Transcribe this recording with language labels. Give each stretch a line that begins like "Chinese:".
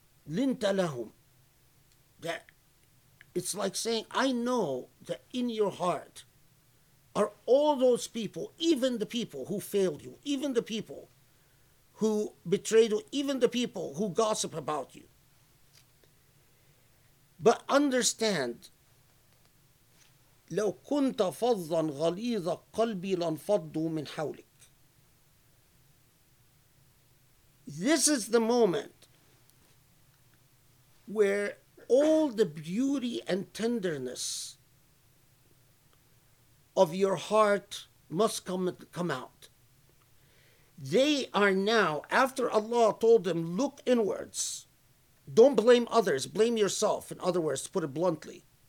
Arabic: لِنْتَ لَهُمْ.
English: That it's like saying, I know that in your heart are all those people, even the people who failed you, even the people who betrayed you, even the people who gossip about you. But understand,
Arabic: لو كنت فظا غليظ قلبي لانفضوا من حولك.
English: This is the moment where all the beauty and tenderness of your heart must come out. They are now, after Allah told them, look inwards, don't blame others, blame yourself, in other words, to put it bluntly.